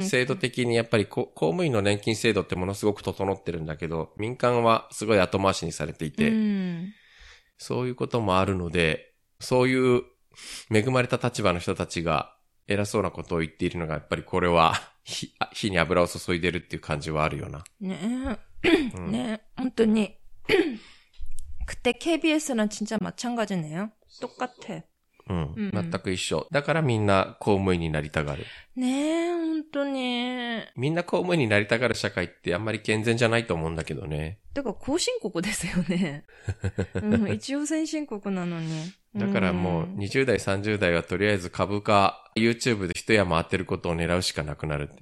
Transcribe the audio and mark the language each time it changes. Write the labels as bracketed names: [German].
[Japanese] 制度的にやっぱり公務員の年金制度ってものすごく整ってるんだけど、民間はすごい後回しにされていて、そういうこともあるので、そういう恵まれた立場の人たちが偉そうなことを言っているのがやっぱりこれは火に油を注いでるっていう感じはあるよな。ねえ、ねえ、本当に。 [Korean] 그때 KBS は진짜마찬가지네요。 똑같아。 [Japanese] うん、全く一緒。だからみんな公務員になりたがる。ねえ、本当に。みんな公務員になりたがる社会ってあんまり健全じゃないと思うんだけどね。だから後進国ですよね。うん、一応先進国なのに。だからもう20代30代はとりあえず株価 YouTube で一山当てることを狙うしかなくなる。